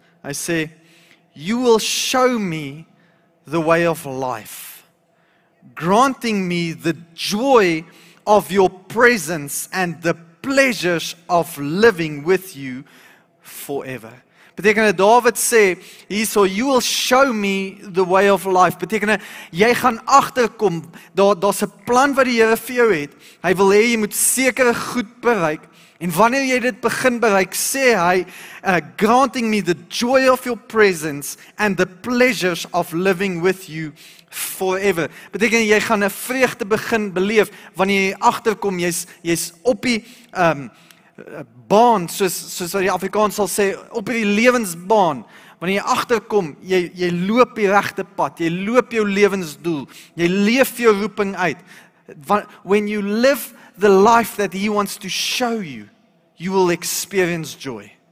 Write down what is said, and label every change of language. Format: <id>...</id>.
<af>Hy sê,</af> <en>"You will show me the way of life, granting me the joy of your presence and the pleasures of living with you forever."</en> <af>Beteken dat David sê, hierso,</af> <en>"You will show me the way of life."</en> <af>Beteken dat jy gaan agterkom, daar's 'n plan wat die Here vir jou het. Hy wil hê jy moet sekere goed bereik. En wanneer jy dit begin bereik, sê hy,</af> <en>"Granting me the joy of your presence and the pleasures of living with you forever."</en> <af>Beteken jy gaan 'n vreugde begin beleef wanneer jy agterkom, jy's op die baan, soos wat die Afrikaans sal sê, op die lewensbaan. Wanneer jy agterkom, jy loop die regte pad, jy loop jou lewensdoel, jy leef jou roeping uit.</af> <en>When you live the life that he wants to show you, you will experience joy.</en>